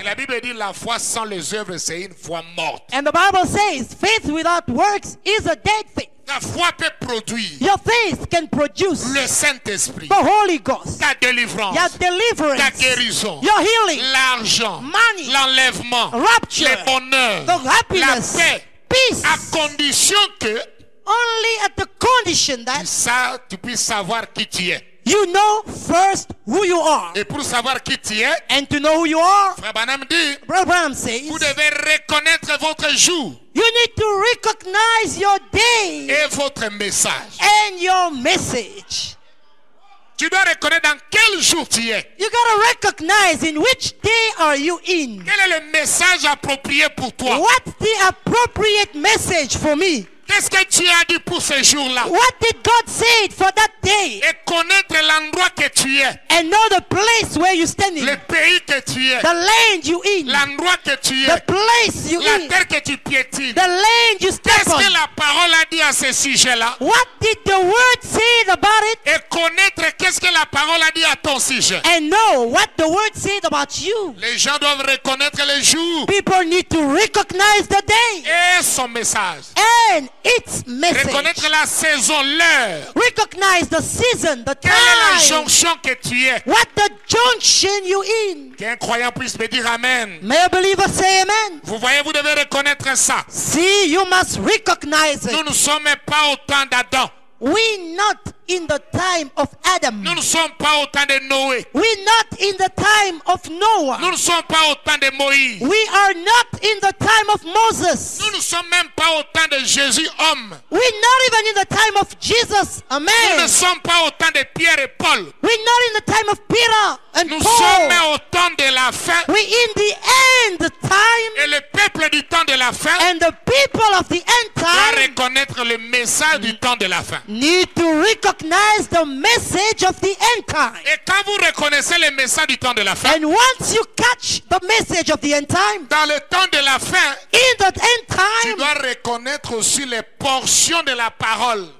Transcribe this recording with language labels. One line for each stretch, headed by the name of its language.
French: Et la Bible dit la foi sans les œuvres c'est une foi morte.
English: And the Bible says faith without works is a dead faith.
French: Ta foi peut produire.
English: Your faith can produce.
French: Le Saint-Esprit.
English: The Holy Ghost.
French: Ta délivrance.
English: Your deliverance.
French: Ta guérison.
English: Your healing.
French: L'argent.
English: Money.
French: L'enlèvement.
English: Rapture.
French: Le bonheur.
English: The happiness.
French: La paix.
English: Peace.
French: À condition que.
English: Only at the condition that.
French: Tu puisses savoir qui tu es.
English: You know first who you are.
French: Et pour savoir qui tu es.
English: And to know who you are.
French: Frère Branham dit.
English: Brother Branham says.
French: Vous devez reconnaître votre jour.
English: You need to recognize your day.
French: Et votre message.
English: And your message.
French: Tu dois reconnaître dans quel jour tu es.
English: You gotta recognize in which day are you in.
French: Quel est le message approprié pour toi?
English: What's the appropriate message for me?
French: Qu'est-ce que tu as dit pour ce jour-là?
English: What did God say for that day?
French: Et connaître l'endroit que tu es.
English: And know the place where you're standing.
French: Le pays que tu es.
English: The land you in.
French: L'endroit que tu es.
English: The place you
French: la
English: in.
French: La terre que tu piétines.
English: The land you step
French: Qu'est-ce
English: on.
French: Qu'est-ce que la parole a dit à ce sujet-là?
English: What did the word say about it?
French: Et connaître qu'est-ce que la parole a dit à ton sujet.
English: And know what the word said about you.
French: Les gens doivent reconnaître le jour.
English: People need to recognize the day.
French: Et son message.
English: And its message.
French: Reconnaître la saison, l'heure.
English: Recognize the season, the
French: Quelle
English: time.
French: Quelle est la jonction que tu es?
English: What the junction you in?
French: Qu'un croyant puisse me dire amen.
English: May a believer say amen.
French: Vous voyez, vous devez reconnaître ça.
English: See, you must recognize it.
French: Nous ne sommes pas au temps d'Adam.
English: We not in the time of Adam.
French: Nous ne sommes pas au temps de Noé.
English: We not in the time of Noah.
French: Nous ne sommes pas au temps de Moïse.
English: We are not in the time of Moses.
French: Nous ne sommes même pas au temps de Jésus homme.
English: We not even in the time of Jesus a man.
French: Nous ne sommes pas au temps de Pierre et Paul.
English: We not in the time of Peter and
French: Nous
English: Paul.
French: Nous sommes au temps de la fin.
English: We in the end time.
French: Et le peuple du temps de la fin.
English: And the people of the end time.
French: Doit reconnaître le message du temps de la fin.
English: Need to recognize the message of the end time.
French: Et quand vous reconnaissez le message du temps de la fin.
English: And once you catch the message of the end time.
French: Dans le temps de la fin.
English: In the end time.
French: Tu dois reconnaître aussi les portions de la parole.